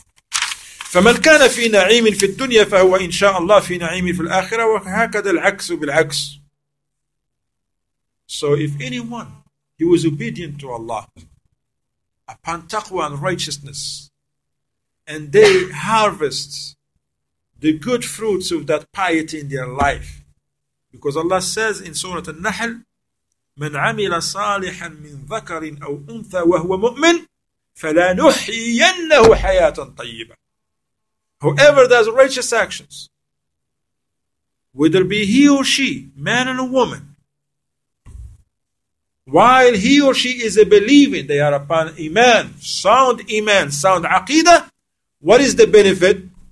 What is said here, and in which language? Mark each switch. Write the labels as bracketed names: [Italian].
[Arabic] فَمَنْ كَانَ فِي نَعِيمٍ فِي الدُّنْيَا فَهُوَ إِنْ شَاءَ اللَّهِ فِي نَعِيمٍ فِي الْآخِرَةِ وَهَكَدَ الْعَكْسُ بِالْعَكْسُ. [English] So if anyone, he was obedient to Allah upon taqwa and righteousness, and they harvest the good fruits of that piety in their life. Because Allah says in Surah An-Nahl, [Arabic] مَنْ عَمِلَ صَالِحًا مِنْ ذَكَرٍ أَوْ أُنْثَى وَهُوَ مُؤْمِنٍ فَلَا نُحْيِيَنَّهُ حَيَاةً طَيِّبًا. [English] Whoever does righteous actions, whether be he or she, man and a woman, while he or she is a believing, they are upon iman, sound aqidah, what is the benefit?